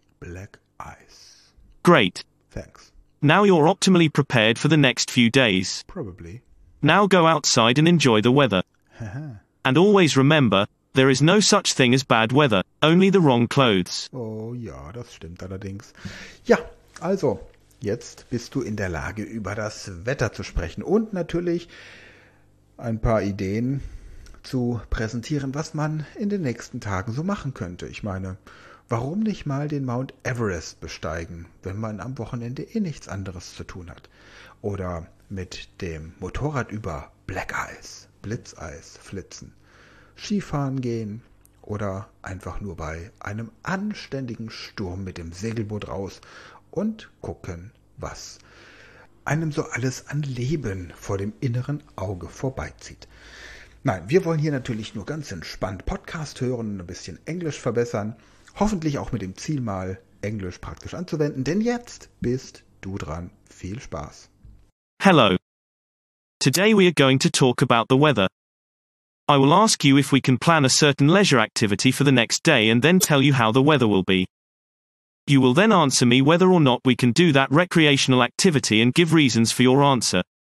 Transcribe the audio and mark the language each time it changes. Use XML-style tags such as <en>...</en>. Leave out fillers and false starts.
<en>Black ice. Great. Thanks. Now you're optimally prepared for the next few days. Probably. Now go outside and enjoy the weather. And always remember, there is no such thing as bad weather, only the wrong clothes.</en> <de>Oh ja, das stimmt allerdings. Ja, also, jetzt bist du in der Lage, über das Wetter zu sprechen und natürlich ein paar Ideen zu präsentieren, was man in den nächsten Tagen so machen könnte. Ich meine, warum nicht mal den Mount Everest besteigen, wenn man am Wochenende eh nichts anderes zu tun hat? Oder mit dem Motorrad über Blackeis, Blitzeis flitzen, Skifahren gehen oder einfach nur bei einem anständigen Sturm mit dem Segelboot raus und gucken, was einem so alles an Leben vor dem inneren Auge vorbeizieht. Nein, wir wollen hier natürlich nur ganz entspannt Podcast hören und ein bisschen Englisch verbessern. Hoffentlich auch mit dem Ziel, mal Englisch praktisch anzuwenden. Denn jetzt bist du dran. Viel Spaß.</de> <en>Hello. Today we are going to talk about the weather. I will ask you if we can plan a certain leisure activity for the next day and then tell you how the weather will be. You will then answer me whether or not we can do that recreational activity and give reasons for your answer.</en>